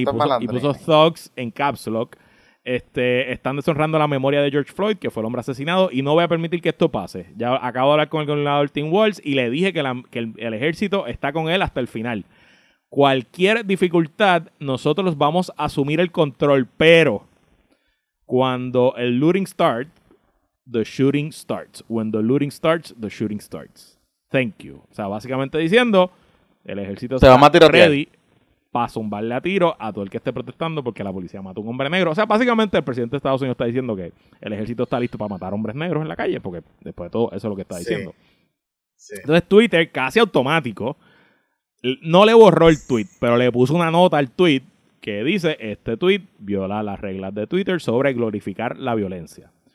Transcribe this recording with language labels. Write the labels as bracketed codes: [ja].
[es] Y puso thugs en caps lock. Están deshonrando la memoria de George Floyd, que fue el hombre asesinado, y no voy a permitir que esto pase. Ya acabo de hablar con el gobernador Tim Walz y le dije que el ejército está con él hasta el final. Cualquier dificultad, nosotros vamos a asumir el control, pero cuando el [en] looting starts, the shooting starts. When the looting starts, the shooting starts. Thank you. [es] O sea, básicamente diciendo, el ejército se está ready para zumbarle a tiro a todo el que esté protestando porque la policía mató a un hombre negro. O sea, básicamente el presidente de Estados Unidos está diciendo que el ejército está listo para matar hombres negros en la calle, porque después de todo, eso es lo que está diciendo. Sí. Entonces Twitter, casi automático, no le borró el tweet, pero le puso una nota al tweet que dice, este tweet viola las reglas de Twitter sobre glorificar la violencia.